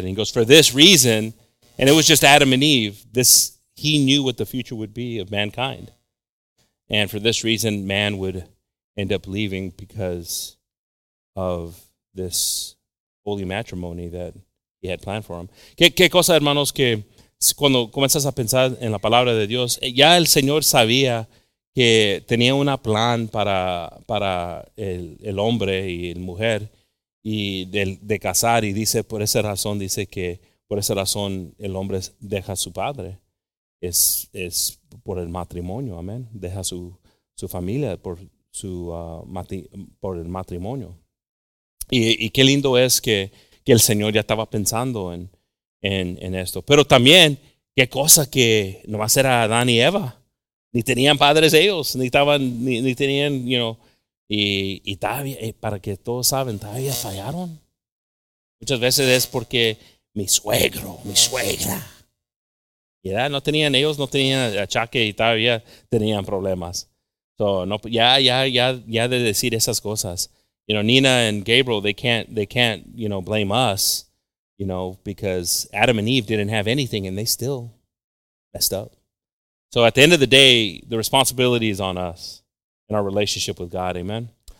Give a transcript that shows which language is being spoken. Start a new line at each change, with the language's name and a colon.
English: And he goes, for this reason, and it was just Adam and Eve, he knew what the future would be of mankind. And for this reason, man would end up leaving because of this holy matrimony that he had planned for him.
Spanish: ¿Qué cosa, hermanos, que cuando comienzas a pensar en la palabra de Dios, ya el Señor sabía que tenía un plan para el hombre y la mujer y de casar? Y dice, por esa razón, dice que por esa razón el hombre deja a su padre. Es por el matrimonio, amén. Deja su familia por el matrimonio. Y qué lindo es que el Señor ya estaba pensando en esto. Pero también, qué cosa que no va a ser Adán y Eva. Ni tenían padres ellos, ni tenían,
English: you know.
Spanish: Y todavía, para que todos saben, todavía fallaron. Muchas veces es porque mi suegro, mi suegra. Ya no tenían ellos, no tenían achaque y todavía tenían problemas. So, no, ya de decir esas cosas.
English: You know, Nina and Gabriel, they can't, you know, blame us, you know, because Adam and Eve didn't have anything and they still messed up. So at the end of the day, the responsibility is on us and our relationship with God. Amen.